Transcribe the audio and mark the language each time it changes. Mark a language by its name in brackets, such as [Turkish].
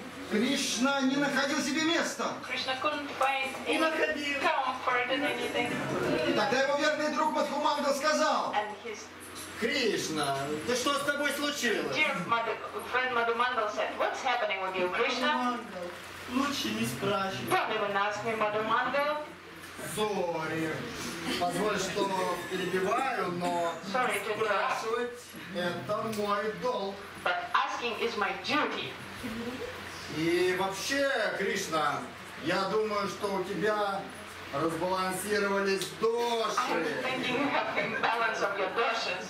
[Russian] Кришна не находил себе места. Не находил. И тогда его верный друг Мадхуманга сказал. Кришна, да что с тобой случилось? [English] Dear friend Madhumangal said, what's happening with you, Krishna? [Russian] Лучше не спрашивай. [English] Probably wouldn't ask me, Madhumangal. Sorry. [Russian] Позволь, что перебиваю, но спрашивать — это мой долг. [English] But asking is my duty. [Russian] И вообще, Кришна, я думаю, что у тебя разбалансировались доши. [English] I'm thinking you have an imbalance of your doshas.